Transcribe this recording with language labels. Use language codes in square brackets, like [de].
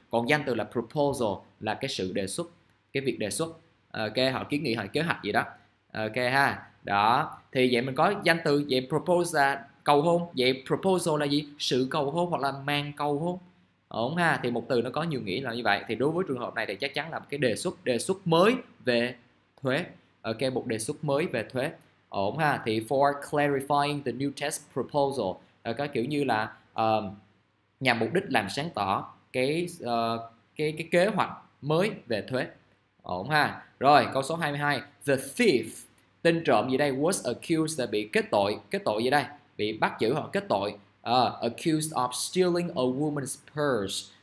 [vi] Còn danh từ là proposal là cái sự đề xuất, cái việc đề xuất. Ok, họ kiến nghị, họ kế hoạch gì đó. Ok ha. Đó. Thì vậy mình có danh từ, vậy propose là cầu hôn, vậy proposal là gì? Sự cầu hôn hoặc là mang cầu hôn. Ổn ha, thì một từ nó có nhiều nghĩa là như vậy. Thì đối với trường hợp này thì chắc chắn là một cái đề xuất mới về thuế. Ok, một đề xuất mới về thuế. Ổn ha, thì [en] for clarifying the new tax proposal. [vi] Có kiểu như là nhằm mục đích làm sáng tỏ cái kế hoạch mới về thuế. Ổn ha. Rồi, câu số 22. [en] The thief, [vi] tên trộm gì đây, [en] was accused, [vi] bị kết tội gì đây, bị bắt giữ hoặc kết tội, [en] accused of stealing a woman's purse.